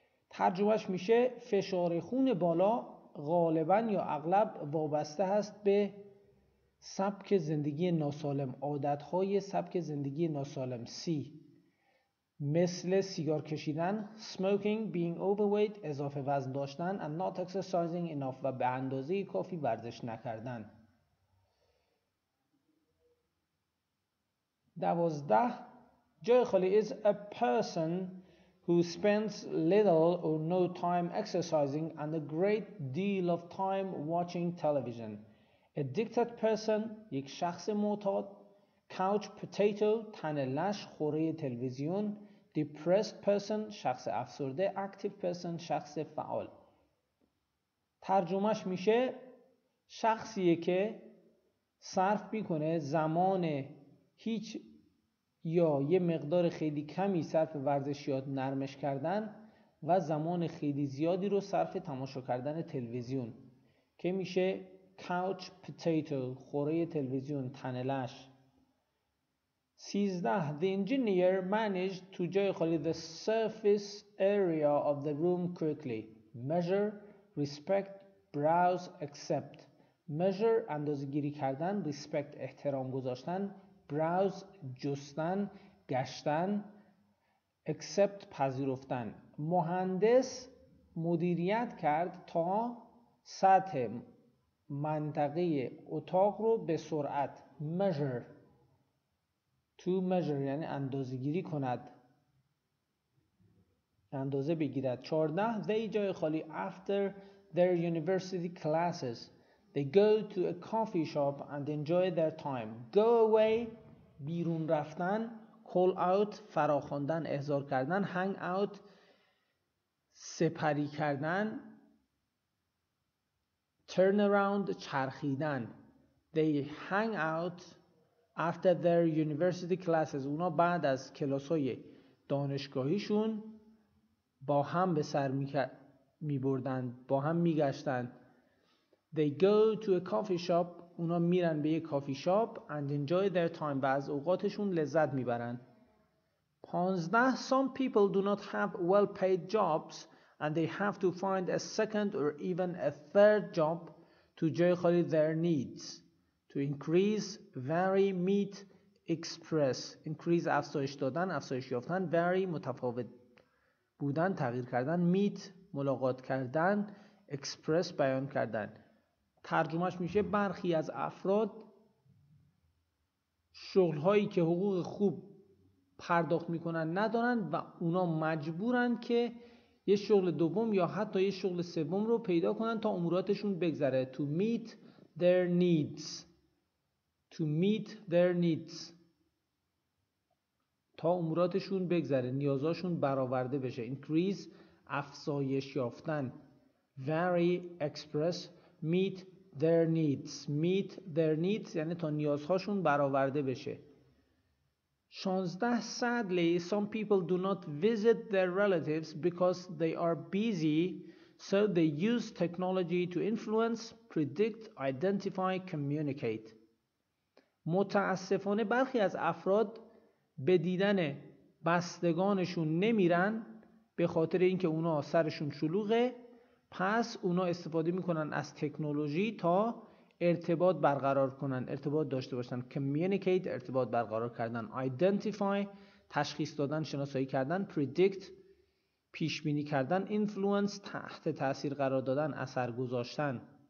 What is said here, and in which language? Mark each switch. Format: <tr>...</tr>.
<fa>ترجمهش میشه فشار خون بالا غالبا یا اغلب وابسته هست به سبک زندگی ناسالم، عادت های سبک زندگی ناسالم. سی، مثل سیگار کشیدن، smoking،</fa> <en>being overweight،</en> <fa>اضافه وزن داشتن،</fa> <en>and not exercising enough،</en> <fa>و به اندازه کافی ورزش نکردن.</fa> <en>12.</en> <fa>جای خالی،</fa> <en>is a person who spends little or no time exercising and a great deal of time watching television. Addicted person،</en> <fa>یک شخص معتاد.</fa> <en>Couch potato،</en> <fa>تنه لش، خوره تلویزیون.</fa> <en>Depressed person،</en> <fa>شخص افسرده.</fa> <en>Active person،</en> <fa>شخص فعال. ترجمهش میشه شخصیه که صرف میکنه زمان هیچ یا یه مقدار خیلی کمی صرف ورزش یا نرمش کردن و زمان خیلی زیادی رو صرف تماشا کردن تلویزیون، که میشه couch potato، خوره تلویزیون، تنلش.</fa> <en>13. The engineer managed to</en> <fa>جای خالی</fa> <en>the surface area of the room quickly. Measure, respect, browse, accept.</en> <fa>Measure اندازه گیری کردن، respect احترام گذاشتن، browse جستن، گشتن، accept پذیرفتن. مهندس مدیریت کرد تا سطح منطقه اتاق رو به سرعت. Measure، to measure یعنی اندازه گیری کند، اندازه بگیرد.</fa> <en>14. They</en> <fa>جای خالی</fa> <en>after their university classes they go to a coffee shop and enjoy their time. Go away،</en> <fa>بیرون رفتن.</fa> <en>Call out،</en> <fa>فراخواندن، احضار کردن. Hang out، سپری کردن. Turn around، چرخیدن.</fa> <en>They hang out after their university classes،</en> <fa>اونا بعد از کلاس‌های دانشگاهیشون با هم به سر می‌بردن، با هم می‌گشتن.</fa> <en>They go to a coffee shop،</en> <fa>اونا میرن به یک کافی شاپ.</fa> <en>And enjoy their time،</en> <fa>و از اوقاتشون لذت میبرن. 15.</fa> <en>Some people do not have well paid jobs and they have to find a second or even a third job to</en> <fa>جای خالی</fa> <en>their needs، to increase، vary، meet، express.</en> <fa>Increase افزایش دادن، افزایش یافتن. Vary متفاوت بودن، تغییر کردن. Meet ملاقات کردن. Express بیان کردن. ترجمهش میشه برخی از افراد شغلهایی که حقوق خوب پرداخت میکنن ندارن و اونا مجبورن که یه شغل دوم یا حتی یه شغل سوم رو پیدا کنن تا اموراتشون بگذره.</fa> <en>To meet their needs،</en> <fa>to meet their needs، تا اموراتشون بگذره، نیازاشون برآورده بشه. Increase افزایش یافتن. Vary express،</fa> <en>meet their needs، meet their needs</en> <fa>یعنی تا نیازهاشون برآورده بشه. 16.</fa> <en>Sadly some people do not visit their relatives because they are busy so they use technology to influence، predict، identify، communicate.</en> <fa>متاسفانه برخی از افراد به دیدن بستگانشون نمیرن به خاطر اینکه اونا سرشون شلوغه، پس اونا استفاده میکنن از تکنولوژی تا ارتباط برقرار کنن، ارتباط داشته باشن، communicate ارتباط برقرار کردن، identify تشخیص دادن، شناسایی کردن، predict پیشبینی کردن، influence تحت تأثیر قرار دادن، اثر گذاشتن.</fa>